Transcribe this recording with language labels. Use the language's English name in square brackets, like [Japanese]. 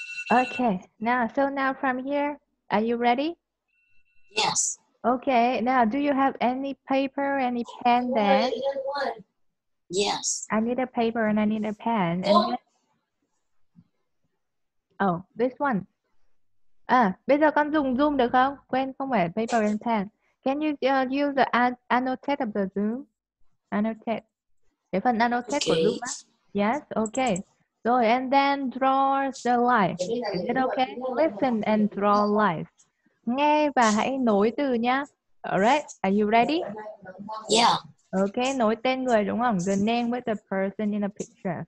[English] Okay, now, so now from here, are you ready? Yes. Okay, now do you have any paper, any pen then? Yes. I need a paper and I need a pen. And then... Oh, this one. [Vietnamese] Ah, bây giờ con dùng Zoom được không? Quên, không phải [English] paper and pen. Can you use the annotate of the Zoom? Annotate. [Vietnamese] Cái phần annotate okay. của Zoom á? [English] Yes, okay. Rồi, and then draw the line. Is it okay? Listen and draw lines. [Vietnamese] Nghe và hãy nối từ nhá. [English] Alright, are you ready? Yeah. [Vietnamese] Okay, nối tên người đúng không? [English] The name with the person in the picture.